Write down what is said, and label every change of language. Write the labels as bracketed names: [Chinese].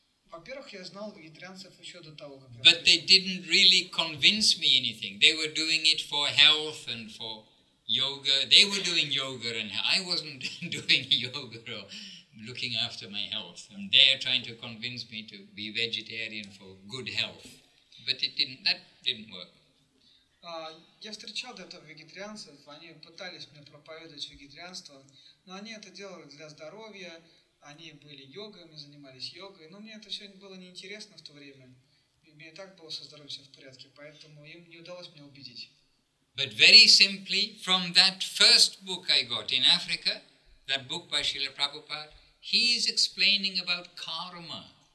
[Russian] Во-первых, я знал вегетарианцев еще до того, как. [English] But they didn't really convince me anything. They were doing it for health and for yoga. They were doing yoga, and I wasn't doing yoga or looking after my health. And they're trying to convince me to be vegetarian for good health. But it didn't. That didn't work. [Russian] Я встречал до этого вегетарианцев. Они пытались мне проповедовать вегетарианство, но они это делали для здоровья. Они были йогами, занимались йогой, но мне это все было неинтересно в то время. Мне и так было со здоровьем все в порядке, поэтому им не удалось меня убедить. [English] But very simply, from that first book I got in Africa, that book by Srila Prabhupada, he is explaining about karma.